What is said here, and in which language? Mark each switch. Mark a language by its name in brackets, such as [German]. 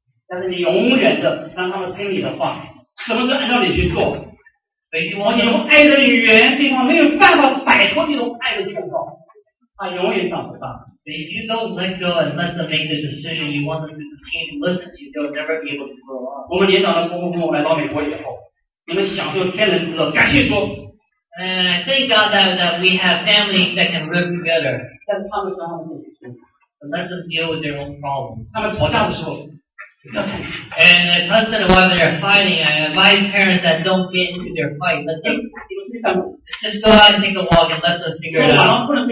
[English] But you want to be able to do it. But if you don't let go and let them make the decision, you want them to continue to listen to you, they'll never be able to grow up. [Chinese] 我们年长的父母跟我来到美国以后，你们享受天伦之乐，感谢主。 [English] And I thank God that we have families that can live together. [Chinese] 但是他们常常会吵架。 [English] Let them deal with their own problems. [Chinese] 他们吵架的时候。 [English] And if husband and wife are fighting, I advise parents that don't get into their fight. Let them just go out and take a walk and let them figure it out.